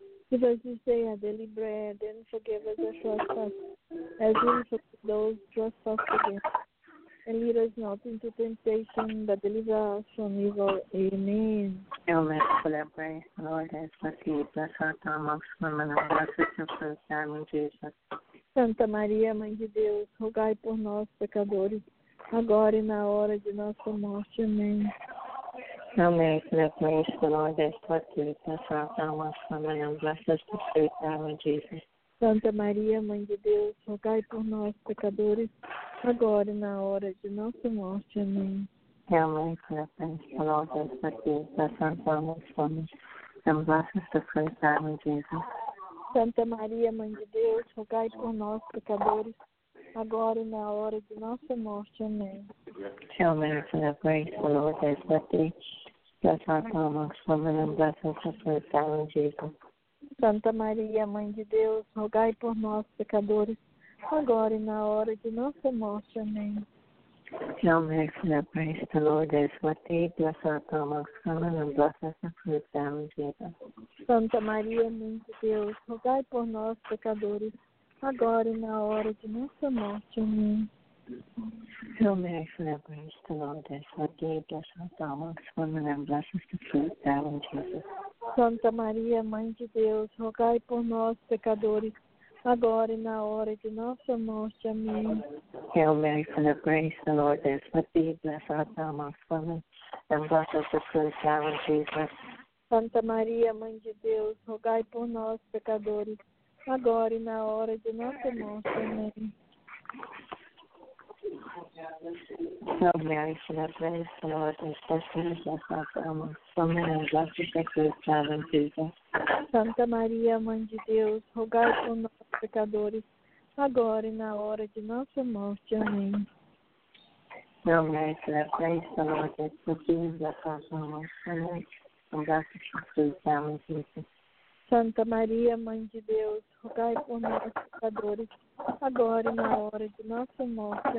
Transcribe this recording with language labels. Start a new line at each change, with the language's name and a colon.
English: Give us this day our daily bread, and forgive us our trespasses, as we forgive those trespass against us. And lead us not into temptation, but deliver us from evil. Amen. Hail Mary, full of grace, the Lord is with you. Blessed art thou amongst women, and blessed is the fruit of thy womb, Jesus.
Portuguese: Santa Maria, Mãe de Deus, rogai por nós, pecadores, agora e na hora de nossa morte. Amém.
English: Amém. Amém. O Lord is with you. Blessed art thou amongst women, and blessed is the fruit of thy womb, Jesus.
Portuguese: Santa Maria, Mãe de Deus, rogai por nós, pecadores, agora e na hora de nossa morte. Amém.
English: Hail Mary, full of grace, the Lord is with you. Blessed art thou amongst women, and blessed is the fruit of thy womb, Jesus.
Portuguese: Santa Maria, Mãe de Deus, rogai por nós, pecadores, agora e na hora de nossa morte. Amém.
English: Hail Mary, full of grace, the Lord is with you. Blessed art thou amongst women, and blessed is the fruit of thy womb, Jesus.
Portuguese: Santa Maria, Mãe de Deus, rogai por nós, pecadores, agora e na hora de nossa morte. Amém.
English: Hail Mary, full of grace, the Lord is with thee. Blessed art thou amongst women, and blessed is the fruit of thy womb, Jesus.
Portuguese: Santa Maria, Mãe de Deus, rogai por nós, pecadores, agora e na hora de nossa morte. Amém.
English: Hail Mary, full of grace, the Lord is with thee. Blessed art thou amongst women, and blessed is the fruit of thy womb, Jesus.
Portuguese: Santa Maria, Mãe de Deus, rogai por nós, pecadores, agora e na hora de nossa morte. Amém.
English: Hail Mary, full of grace, the Lord is with thee. Blessed art thou amongst women, and blessed is the fruit of thy womb, Jesus.
Portuguese: Santa Maria, Mãe de Deus, rogai por nós, pecadores, agora e na hora de nossa morte. Amém.
English: Hail Mary, full of grace, the Lord is with thee. Blessed art thou amongst women, and blessed is the fruit of thy womb, Jesus.
Portuguese: Santa Maria, Mãe de Deus, rogai por nós, pecadores, agora e na hora de nossa morte. Amém.
English: Hail Mary, full of grace, the Lord is with thee. Blessed art thou amongst women, and blessed is the fruit of thy womb, Jesus.
Portuguese: Santa Maria, Mãe de Deus, rogai por nós, pecadores, agora e na hora de nossa morte.